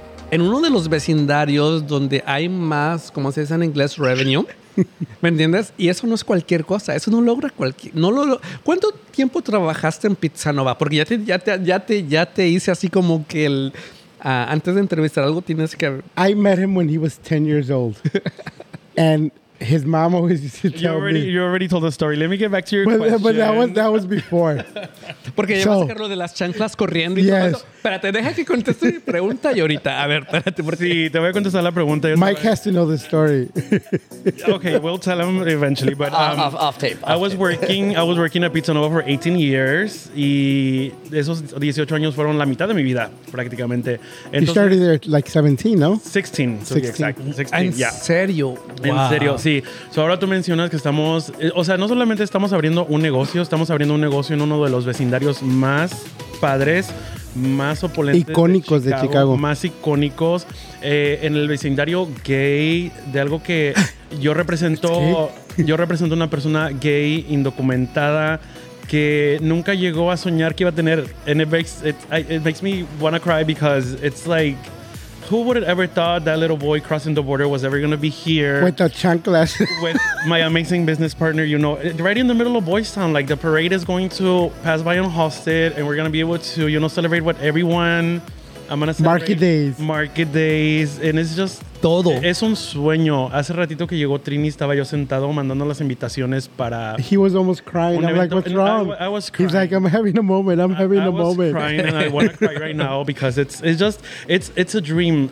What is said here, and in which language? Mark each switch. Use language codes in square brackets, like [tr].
[es] En uno de los vecindarios donde hay más, como se dice en inglés, [en] revenue. [es] ¿Me entiendes? Y eso no es cualquier cosa. Eso no logra cualquier... No lo, ¿cuánto tiempo trabajaste en Pizza Nova? Porque ya te hice así como que el... antes de entrevistar algo tienes que... [en] I met him when he was 10 years old. And his mom always used to tell me. You already told the story. Let me get back to your question. But that was before. [es] Porque llevas a Carlos de las chanclas corriendo y yes. todo eso. Espérate, deja que conteste mi pregunta y ahorita. A ver, espérate. Porque... Sí, te voy a contestar la pregunta. [en] Mike has to know the story. Okay, we'll tell him eventually. But I was working at Pizza Nova for 18 years. [es] Y esos 18 años fueron la mitad de mi vida, prácticamente. Entonces, [en] you started there like 17, no? 16. [es] Serio? En wow. serio, sí. So ahora tú mencionas que estamos... o sea, no solamente estamos abriendo un negocio, estamos abriendo un negocio en uno de los vecindarios más padres... más opulentes icónicos de Chicago, más icónicos en el vecindario gay de algo que yo represento. Yo represento una persona gay indocumentada que nunca llegó a soñar que iba a tener, [en] and it makes me wanna cry because it's like, who would have ever thought that little boy crossing the border was ever going to be here? With the chanclas. With my amazing business partner, you know. Right in the middle of Boys Town, like the parade is going to pass by unhosted and we're going to be able to, you know, celebrate what everyone, I'm going to say. Market days. And it's just. [es] Todo. Es un sueño. Hace ratito que llegó Trini, estaba yo sentado mandando las invitaciones para... [en] He was almost crying. I'm like, what's wrong? I was crying. He's like, I'm having a moment. I was crying and I want to cry right now because it's a dream.